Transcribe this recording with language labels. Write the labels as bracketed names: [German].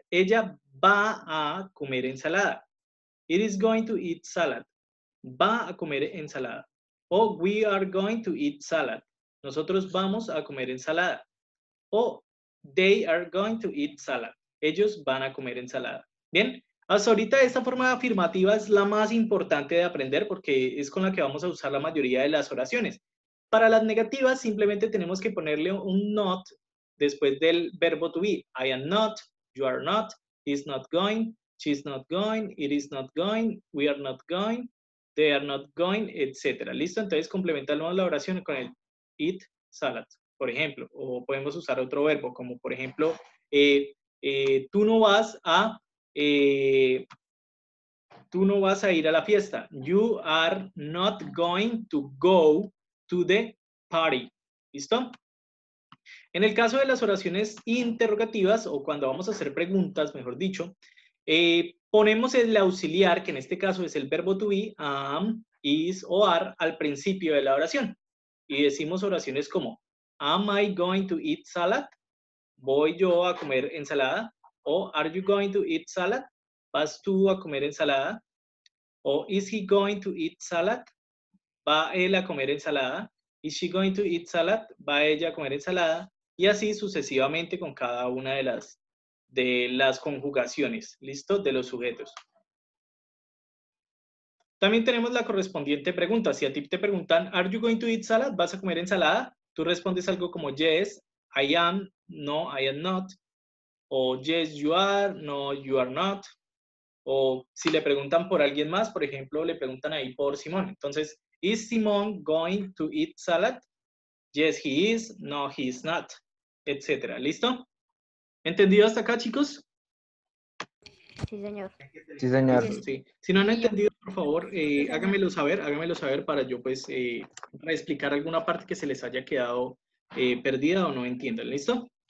[Spanish] Ella va a comer ensalada. [English] It is going to eat salad. [Spanish] Va a comer ensalada. [English] O we are going to eat salad. [Spanish] Nosotros vamos a comer ensalada. [English] O they are going to eat salad. [Spanish] Ellos van a comer ensalada. Bien, hasta ahorita esta forma afirmativa es la más importante de aprender porque es con la que vamos a usar la mayoría de las oraciones. Para las negativas simplemente tenemos que ponerle un not después del verbo to be. [English] I am not, you are not, he's not going, she's not going, it is not going, we are not going, they are not going, etc. [Spanish] ¿Listo? Entonces complementamos la oración con el [English] eat salad, [Spanish] por ejemplo. O podemos usar otro verbo como por ejemplo, tú no vas a... tú no vas a ir a la fiesta. [English] You are not going to go to the party. [Spanish] ¿Listo? En el caso de las oraciones interrogativas o cuando vamos a hacer preguntas, mejor dicho, ponemos el auxiliar, que en este caso es el verbo to be, am, is o are, al principio de la oración. Y decimos oraciones como, [English] am I going to eat salad? [Spanish] ¿Voy yo a comer ensalada? [English] O, are you going to eat salad? [Spanish] ¿Vas tú a comer ensalada? [English] O, is he going to eat salad? [Spanish] ¿Va él a comer ensalada? [English] Is she going to eat salad? [Spanish] ¿Va ella a comer ensalada? Y así sucesivamente con cada una de las conjugaciones, ¿listo? De los sujetos. También tenemos la correspondiente pregunta. Si a ti te preguntan, [English] are you going to eat salad? [Spanish] ¿Vas a comer ensalada? Tú respondes algo como, [English] yes, I am, no, I am not. O yes, you are, no, you are not. [Spanish] O si le preguntan por alguien más, por ejemplo, le preguntan ahí por Simón. [English] Entonces, is Simón going to eat salad? Yes, he is, no, he is not, etc. ¿Listo? [Spanish] ¿Entendido hasta acá, chicos? Sí, señor. Sí, señor. Sí. Si no han entendido, por favor, háganmelo saber para yo, pues, explicar alguna parte que se les haya quedado perdida o no entiendan. ¿Listo?